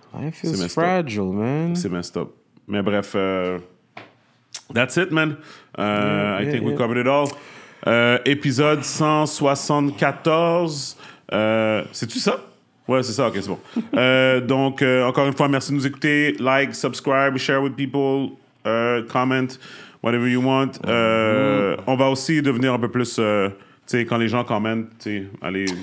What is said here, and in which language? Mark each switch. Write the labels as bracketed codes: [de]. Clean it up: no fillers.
[en] Life is fragile, man. [fr] C'est [en] messed up. [fr] Mais bref, [en] that's it, man. I think we covered it all. [fr] Épisode 174. C'est-tu ça? Ouais, c'est ça. OK, c'est bon. Donc, encore une fois, merci de nous écouter. [en] Like, subscribe, share with people, comment, whatever you want. [fr] On va aussi devenir un peu plus... tu sais, quand les gens commentent, tu sais, aller...